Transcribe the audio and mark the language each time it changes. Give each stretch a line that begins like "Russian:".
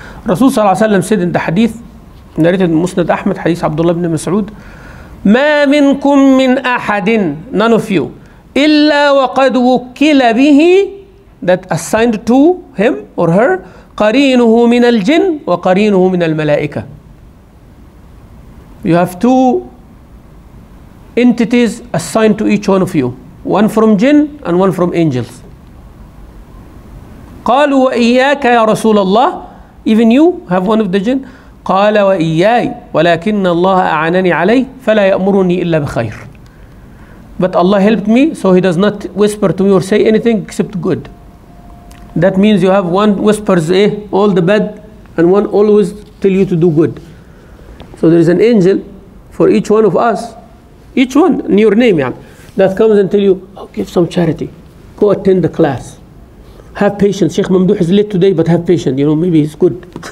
English: Rasul sallallahu alayhi wa sallam said in the hadith, narrated in Musnad Ahmad, hadith Abdullah ibn Mas'ud,
Arabic: مَا مِنْكُمْ مِنْ أَحَدٍ,
English: none of you,
Arabic: إِلَّا وَقَدْ وُكِّلَ بِهِ,
English: that assigned to him or her,
Arabic: قرينه من الجن وقرينه من الملائكة.
English: You have two entities assigned to each one of you, one from jinn and one from angels.
Arabic: قالوا وإياك يا رسول الله,
English: even you have one of the jinn.
Arabic: قال وإياي ولكن الله أعانني عليه فلا يأمرني إلا بخير.
English: But Allah helped me, so he does not whisper to me or say anything except good. That means you have one whispers all the bad and one always tell you to do good. So there is an angel for each one of us, each one in your name, yeah, that comes and tell you, oh, give some charity, go attend the class, have patience. Sheikh Mamdouh is late today, but have patience, you know, maybe he's good.